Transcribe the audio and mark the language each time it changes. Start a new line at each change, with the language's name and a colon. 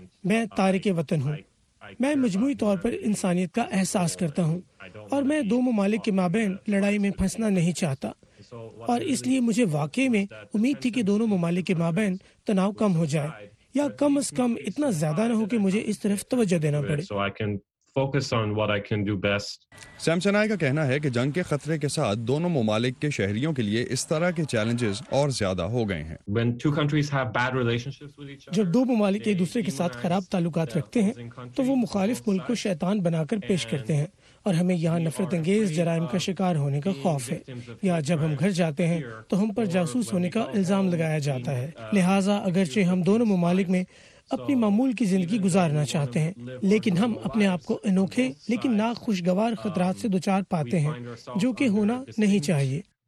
Urdu: میں تارک وطن ہوں. میں مجموعی طور پر انسانیت کا احساس کرتا ہوں اور میں دو ممالک کے مابین لڑائی میں پھنسنا نہیں چاہتا، اور اس لیے مجھے واقعی میں امید تھی کہ دونوں ممالک کے مابین تناؤ کم ہو جائے یا کم از کم اتنا زیادہ نہ ہو کہ مجھے اس طرف توجہ دینا پڑے.
English: Focus on what I can do best.
Urdu: Same سینائے کا کہنا ہے کہ جنگ کے خطرے کے ساتھ دونوں ممالک کے شہریوں کے لیے اس طرح کے چیلنجز اور زیادہ ہو گئے ہیں.
English: When two countries have bad relationships with each other,
Urdu: جب دو ممالک ایک دوسرے کے ساتھ خراب تعلقات رکھتے ہیں تو وہ مخالف ملک کو شیطان بنا کر پیش کرتے ہیں، اور ہمیں یہاں نفرت انگیز جرائم کا شکار ہونے کا خوف ہے، یا جب ہم گھر جاتے ہیں تو ہم پر جاسوس ہونے کا الزام لگایا جاتا ہے. لہٰذا اگرچہ ہم دونوں ممالک میں اپنی معمول کی زندگی گزارنا چاہتے ہیں، لیکن ہم اپنے آپ کو انوکھے لیکن ناخوشگوار خطرات سے دوچار پاتے ہیں جو کہ ہونا نہیں چاہیے.